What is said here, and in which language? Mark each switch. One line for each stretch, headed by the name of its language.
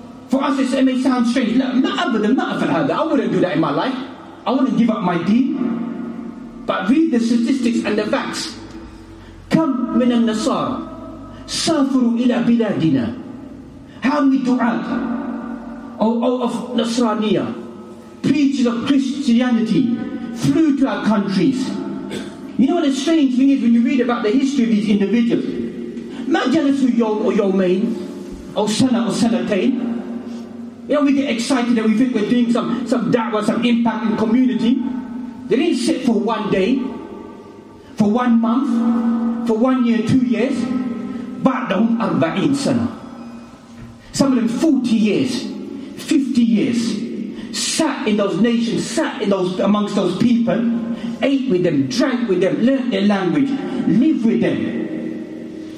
English: For us it may sound strange. I wouldn't do that in my life. I wouldn't give up my deen. But read the statistics and the facts.
Arabic: كم من النصارى سافروا إلى بلادنا.
English: How many du'at of Nasraniya, preachers of Christianity, flew to our countries. You know what the strange thing is when you read about the history of these individuals?
Arabic: ما جلسوا يوم أو يومين أو سنة أو سنتين.
English: You know, we get excited that we think we're doing some da'wah, some impact in community. They didn't sit for one day, for one month, for 1 year, 2 years.
Arabic: بعدهم 40 سنة.
English: Some of them 40 years, 50 years, sat in those nations, sat in those amongst those people, ate with them, drank with them, learnt their language, lived with them.